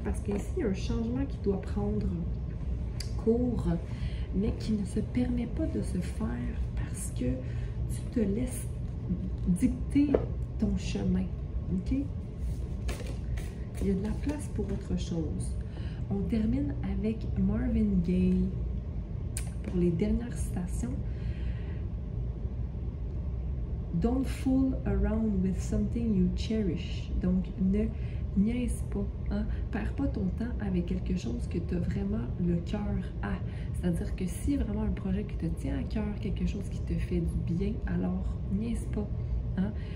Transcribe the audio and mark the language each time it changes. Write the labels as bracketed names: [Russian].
[French] Parce qu'ici, il y a un changement qui doit prendre cours, mais qui ne se permet pas de se faire parce que tu te laisses dicter ton chemin, ok? Il y a de la place pour autre chose. On termine avec Marvin Gaye pour les dernières citations. [English] Don't fool around with something you cherish. [French] Donc, ne niaise pas. Hein? Perds pas ton temps avec quelque chose que tu as vraiment le cœur à. C'est-à-dire que si vraiment un projet qui te tient à cœur, quelque chose qui te fait du bien, alors niaise pas. Hein?